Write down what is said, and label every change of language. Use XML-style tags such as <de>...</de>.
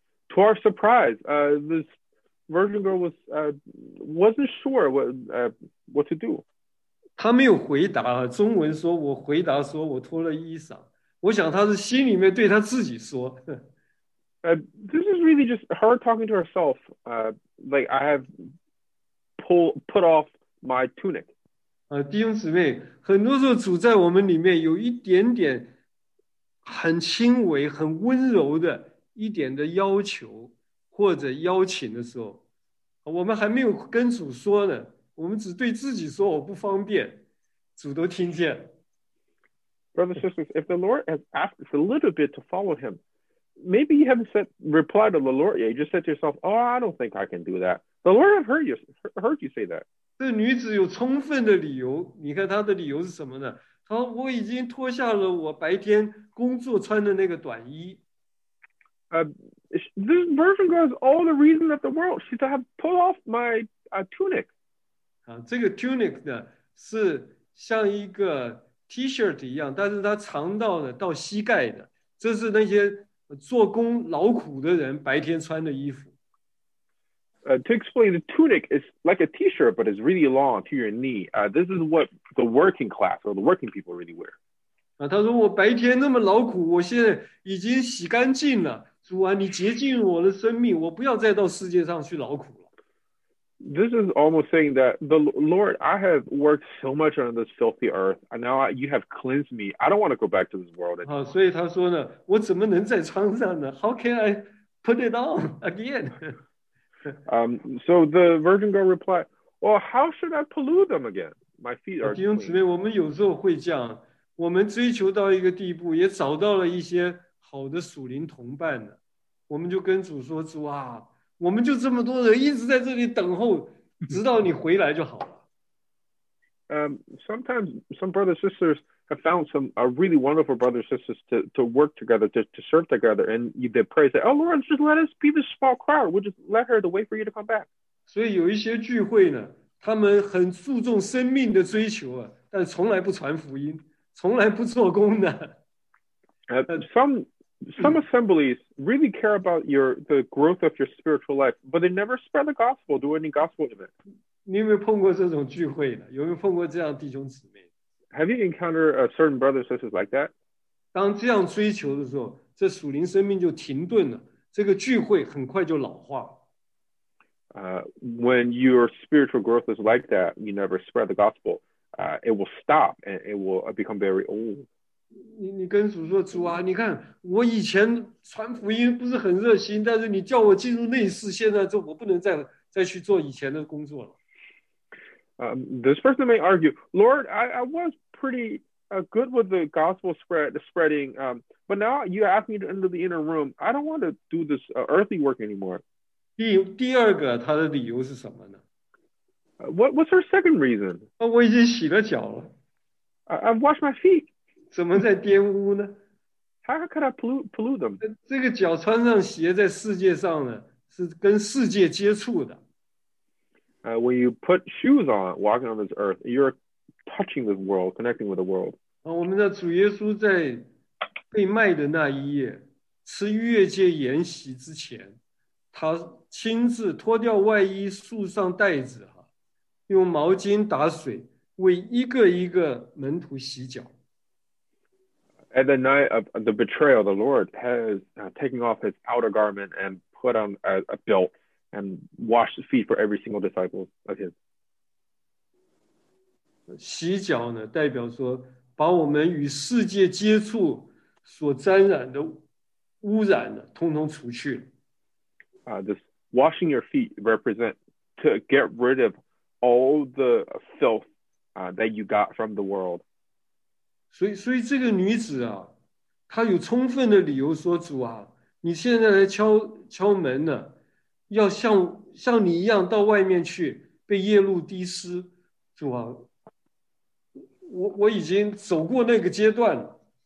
<en>To our surprise, this virgin girl wasn't sure what to do.</en> <zh>她没有回答，中文说我回答说我脱了衣裳。我想她是心里面对她自己说。</zh> <en>This is really just her talking to herself. Like I have put off my tunic.</en> <zh>弟兄姊妹，很多时候主在我们里面有一点点很轻微、很温柔的一点的要求或者邀请的时候，我们还没有跟主说呢，我们只对自己说我不方便，主都听见。</zh> <en>Brothers and sisters, if the Lord has asked a little bit to follow him, maybe you haven't replied to the Lord yet. You just said to yourself, oh, I don't think I can do that. The Lord has heard you say that.</en> <zh>这女子有充分的理由，你看她的理由是什么呢？她说我已经脱下了我白天工作穿的那个短衣。</zh> <en>This virgin girl has all the reason of the world. She said, I have pulled off my tunic.</en> <zh>这个 tunic 呢是像一个 T-shirt 一样，但是它长到了到膝盖的，这是那些做工劳苦的人白天穿的衣服。</zh> <en>To explain, the tunic is like a T-shirt, but it's really long to your knee. This is what the working class or the working people really wear.</en> <zh>他说我白天那么劳苦，我现在已经洗干净了。主啊，你洁净我的生命，我不要再到世界上去劳苦了。</zh> <en>This is almost saying that the Lord, I have worked so much on this filthy earth, and now you have cleansed me. I don't want to go back to this world anymore.</en> <zh>所以他说呢，我怎么能再穿上呢 ？</zh> <en>How can I put it on again? So the virgin girl replied, "Well, how should I pollute them again? My feet are."</en> <zh>弟兄姊妹，我们有时候会这样，我们追求到一个地步，也找到了一些好的属灵同伴呢，我们就跟主说，主啊，我们就这么多人一直在这里等候，直到你回来就好了。</zh> <en>Sometimes some brothers and sisters have found some really wonderful brothers and sisters to work together, to serve together, and they pray, say, oh Lord, just let us be the small crowd, we'll just let her to wait for you to come back.</en> <zh>所以有一些聚会呢，他们很注重生命的追求啊，但从来不传福音，从来不做工的。</zh> <en>Some assemblies really care about the growth of your spiritual life, but they never spread the gospel, do any gospel event.</en> <zh>你有没有碰过这种聚会呢？有没有碰过这样弟兄姊妹？</zh> <en>Have you encountered a certain brothers and sisters like that?</en> <zh>当这样追求的时候，这属灵生命就停顿了，这个聚会很快就老化。</zh> <en>When your spiritual growth is like that, you never spread the gospel, it will stop and it will become very old.</en> <zh>你跟主说，主啊，你看我以前传福音不是很热心，但是你叫我进入内室，现在就我不能再去做以前的工作了。</zh> <en>This person may argue, Lord, I was pretty good with the gospel spreading, but now you ask me to enter the inner room. I don't want to do this earthly work anymore.</en> <zh>第二个他的理由是什么呢？</zh> <en>What's her second reason?</en> <zh>我已经洗了脚了。</zh> <en>I've washed my feet.</en> <zh>怎么在玷污呢？</zh> <en>How could I pollute them?</en> <zh>这个脚穿上鞋在世界上呢，是跟世界接触的。</zh> <en>When you put shoes on, walking on this earth, you're touching the world, connecting with the world.</en> <zh>我们的主耶稣在被卖的那一夜，吃逾越节筵席之前，他亲自脱掉外衣，束上带子，用毛巾打水，为一个一个门徒洗脚。</zh> <en>At the night of the betrayal, the Lord has taken off his outer garment and put on a belt and washed the feet for every single disciple of his.</en> <zh>洗脚呢，代表说把我们与世界接触所沾染的污染呢，通通除去。</zh> <en>This washing your feet represent to get rid of all the filth that you got from the world.</en> <zh>所以这个女子啊，她有充分的理由说，主啊，你现在来敲门呢，要像你一样到外面去被夜露滴湿，主啊，我已经走过那个阶段了。</zh>